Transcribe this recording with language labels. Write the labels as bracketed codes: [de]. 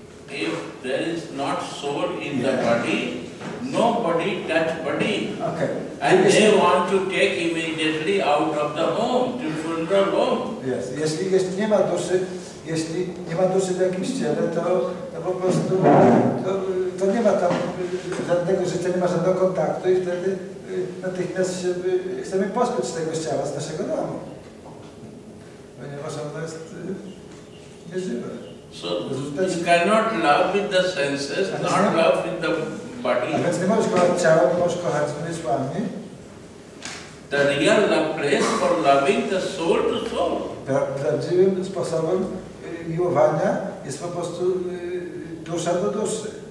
[en] If there is not soul in the body, nobody touch body. Okay. And they want to take immediately out of the home, to funeral home. Yes. [pl] Jeśli nie ma duszy, jeśli nie ma duszy w jakimś ciele, to po prostu to nie ma tam żadnego życia, nie ma żadnego kontaktu i wtedy natychmiast chcemy pozbyć tego ciała z naszego domu. Ponieważ ono jest nieżywe. [en] So you cannot love with the senses, not love with the body. [pl] A więc nie możesz kochać ciała, nie możesz kochać zmysłami. [en] The real place for loving the soul to soul. [pl] Prawdziwym sposobem miłowania jest po prostu dusza do duszy.